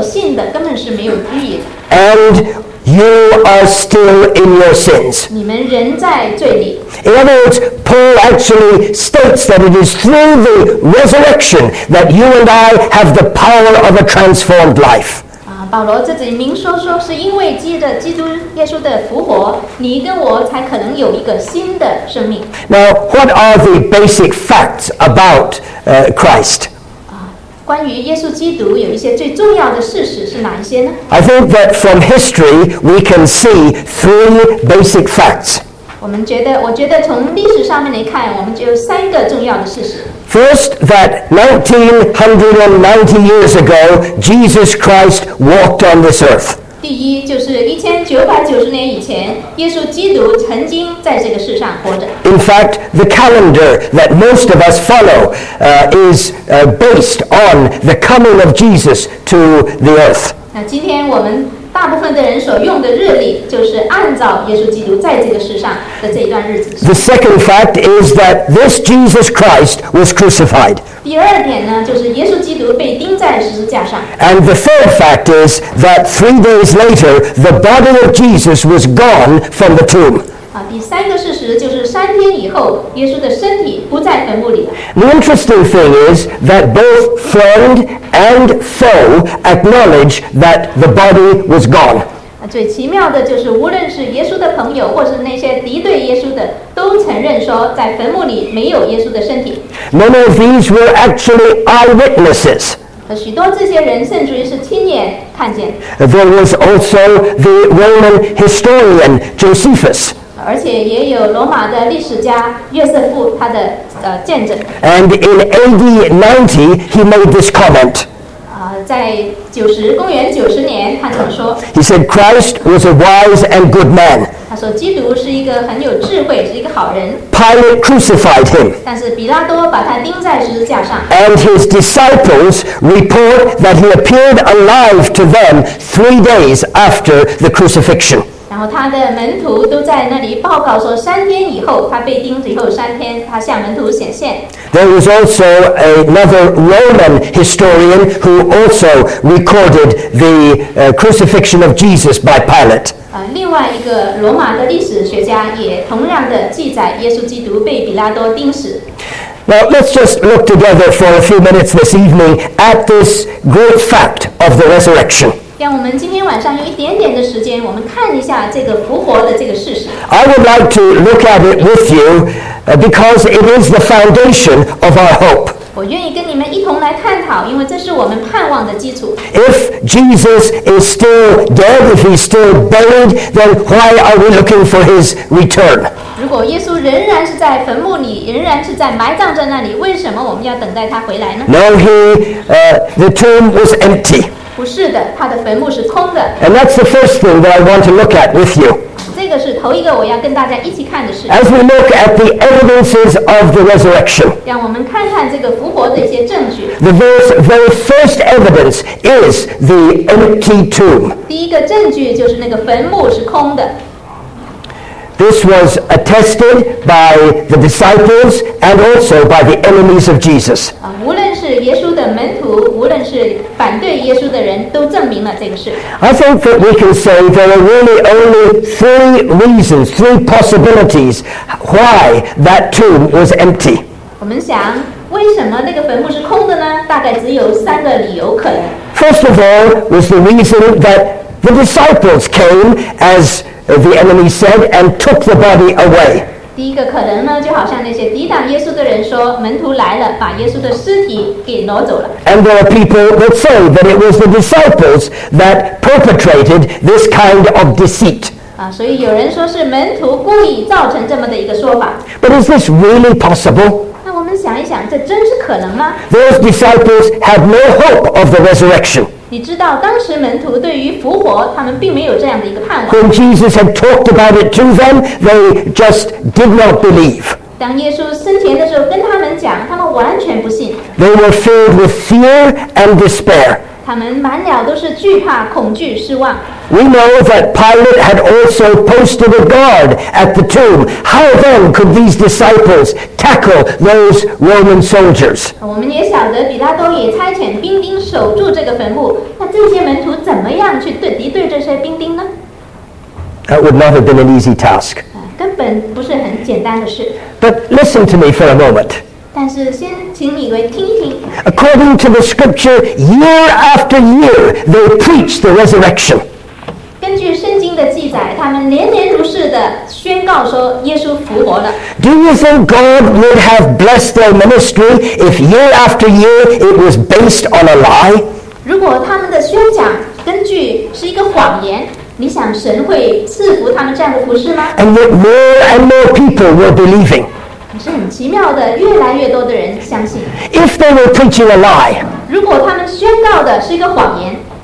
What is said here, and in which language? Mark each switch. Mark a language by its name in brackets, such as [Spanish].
[English] And you are still in your sins. In other words, Paul actually states that it is through the resurrection that you and I have the power of a transformed life. [Chinese] 保罗自己明说说是因为借着基督耶稣的复活你跟我才可能有一个新的生命 [English] Now, what are the basic facts about Christ? [Chinese] 关于耶稣基督有一些最重要的事实是哪一些呢 [English] I think that from history we can see three basic facts [Chinese] 我觉得从历史上面来看我们只有三个重要的事实 [English] First, that 1990 years ago, Jesus Christ walked on this earth. [Chinese] 第一就是1990年以前，耶稣基督曾经在这个世上活着。 [English] In fact, the calendar that most of us follow is based on the coming of Jesus to the earth. [Chinese] 那今天我们大部分的人所用的日历就是按照耶稣基督在这个世上的这一段日子。 [English] The second fact is that this Jesus Christ was crucified. [Chinese] 第二点呢，就是耶稣基督被钉在十字架上。 [English] And the third fact is that 3 days later, the body of Jesus was gone from the tomb. [Chinese] 第三个事实就是三天以后，耶稣的身体不在坟墓里了。 [English] The interesting thing is that both friend and foe acknowledge that the body was gone. [Chinese] 最奇妙的就是无论是耶稣的朋友或是那些敌对耶稣的都承认说在坟墓里没有耶稣的身体。 [English] Many of these were actually eyewitnesses. [Chinese] 许多这些人甚至于是亲眼看见。 [English] There was also the Roman historian Josephus. [Chinese] 而且也有罗马的历史家约瑟夫他的见证 [English] And in AD 90 he made this comment [Chinese] 在公元90年他怎么说 [English] He said Christ was a wise and good man [Chinese] 他说基督是一个很有智慧是一个好人 [English] Pilate crucified him [Chinese] 但是比拉多把他钉在十字架上 [English] And his disciples report that he appeared alive to them 3 days after the crucifixion [Chinese] 然后他的门徒都在那里报告说三天以后他被钉子以后三天他向门徒显现 [English] There was also another Roman historian who also recorded the crucifixion of Jesus by Pilate [Chinese] 另外一个罗马的历史学家也同样的记载耶稣基督被比拉多钉死 [English] Now let's just look together for a few minutes this evening at this great fact of the resurrection. [Chinese] 让我们今天晚上有一点点的时间，我们看一下这个复活的这个事实。 [English] I would like to look at it with you, because it is the foundation of our hope. [Chinese] 我愿意跟你们一同来探讨，因为这是我们盼望的基础。 [English] If Jesus is still dead, if he's still buried, then why are we looking for his return? [Chinese] 如果耶稣仍然是在坟墓里，仍然是在埋葬在那里，为什么我们要等待他回来呢？ [English] No, the tomb was empty. [Chinese] 不是的，他的坟墓是空的。 [English] And that's the first thing that I want to look at with you. [Chinese] 这个是头一个我要跟大家一起看的事。 [English] As we look at the evidences of the resurrection. [Chinese] 让我们看看这个复活的一些证据。 [English] The very first evidence is the empty tomb. [Chinese] 第一个证据就是那个坟墓是空的。 [English] This was attested by the disciples and also by the enemies of Jesus. [Chinese] 无论是耶稣的门徒，无论是反对耶稣的人，都证明了这个事。 [English] I think that we can say there are really only three reasons, three possibilities why that tomb was empty. [Chinese] 我们想，为什么那个坟墓是空的呢？大概只有三个理由可能。 [English] First of all, was the reason that the disciples came as. The enemy said, and took the body away. [Chinese] 第一个可能呢，就好像那些抵挡耶稣的人说，门徒来了，把耶稣的尸体给挪走了。 [English] And there are people that say that it was the disciples that perpetrated this kind of deceit. [Chinese] 所以有人说是门徒故意造成这么的一个说法。 [English] But is this really possible? [Chinese] 那我们想一想，这真是可能吗？ [English] Those disciples had no hope of the resurrection. [Chinese] 你知道当时门徒对于复活他们并没有这样的一个盼望。 [English] When Jesus had talked about it to them, they just did not believe. [Chinese] 当耶稣生前的时候跟他们讲，他们完全不信。 [English] They were filled with fear and despair. [Chinese] 他们满了都是惧怕、恐惧、失望。 [English] We know that Pilate had also posted a guard at the tomb. How then could these disciples tackle those Roman soldiers? [Chinese] 我们也晓得比拉多也差遣兵丁守住这个坟墓。那这些门徒怎么样去敌对这些兵丁呢？ [English] That would not have been an easy task. [Chinese] 根本不是很简单的事。 [English] But listen to me for a moment. [Chinese] 但是先请你们听一听。 [English] According to the scripture, year after year, they preach the resurrection. [Chinese] 根据圣经的记载，他们年年如是地宣告说耶稣复活了。 [English] Do you think God would have blessed their ministry if year after year it was based on a lie? [Chinese] 如果他们的宣讲根据是一个谎言，你想神会赐福他们这样的服事吗？ [English] And yet more and more people were believing. [Chinese] 是很奇妙的，越来越多的人相信。 [English] If they were preaching a lie, [Chinese] 如果他们宣告的是一个谎言，